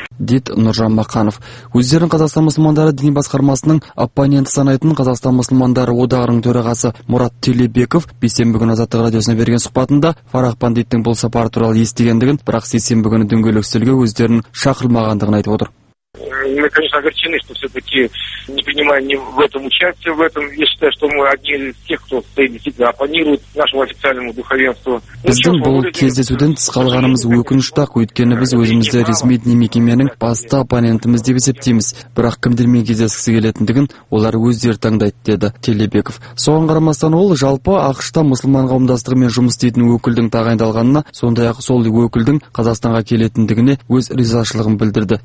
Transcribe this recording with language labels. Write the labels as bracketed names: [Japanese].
[Kazakh] Дед Нұржан Мақанов. Өздерін Қазақстан мұсылмандары діни басқармасының оппоненті санайтын Қазақстан мұсылмандары одағының төрағасы Мұрат Телебеков бейсенбі күні Азаттық радиосына берген сұхбатында Фарах Пандиттің бұл сапары туралы естігендігін, бірақ сейсенбі күні дөңгелек үстелге өздерін шақырмағандығын айтып отыр. [Russian] Мы, конечно, огорчены, что все-таки не принимаем ни в этом участие, в этом. Я считаю, что мы одни из тех, кто стоит действительно оппонирует нашему официальному духовенству. [Kazakh] Біздің бұл кездесуден тыс қалғанымыз өкінішті, өйткені біз өзімізді ресми діни мекеменің басты оппонентіміз деп есептейміз. Бірақ кімдермен кездескісі келетіндігін олар өздері таңдайды, деді Телебеков. Соған қарамастан ол жалпы ақшта мұсылман қауымдастығымен жұмыс істейтін өкілдің тағайындалғанына, сондай-ақ сол өкілдің Қазақстанға келетіндігіне өз ризашылығын білдірді.